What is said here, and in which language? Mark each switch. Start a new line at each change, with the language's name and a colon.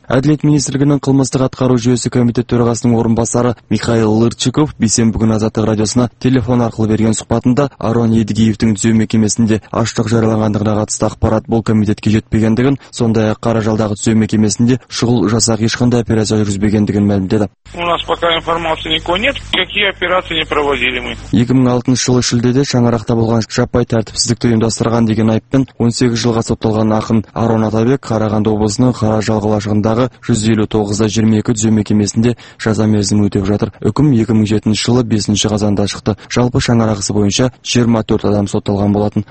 Kazakh: Әділет министрлігінің қылмыстық атқару жүйесі комитет төрағасының орынбасары Михаил Лырчиков бейсенбі күні Азаттық радиосына телефон арқылы берген сұхбатында Арон Едігеевтің түзеу мекемесінде аштық жарияланғандығына қатысты ақпарат бұл комитетке жетпегендігін, сондай-ақ Қаражалдағы түзеу мекемесінде шұғыл жасақ ешқандай операция жүргізбегендігін мәлімдеді.
Russian: У нас пока информации никакой нет, какие операции не проводили мы.
Kazakh: 2006 жылы шілдеде шаңырақта болған жаппай тәртіпсіздікті ұйымдастырған деген айыппен 18 жылға сотталған ақын Арон Атабек Қарағанды облысының Қаражал қалашығындағы 159-22 түзеу мекемесінде жаза мерзімі өтеп жатыр. Үкім 2007 жылы 5 қазанда шықты. Жалпы шаңырақ ісі бойынша 24 адам сотталған болатын.